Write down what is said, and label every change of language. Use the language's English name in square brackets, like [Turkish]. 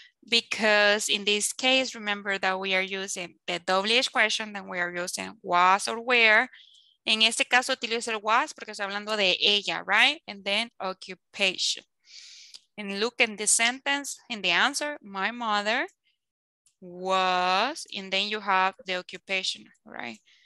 [English] Because in this case, remember that we are using the WH question, then we are using was or where. [Spanish] En este caso, utilizo el was porque estoy hablando de ella, right? [English] And then occupation. And look in the sentence, in the answer, my mother was, and then you have the occupation, right?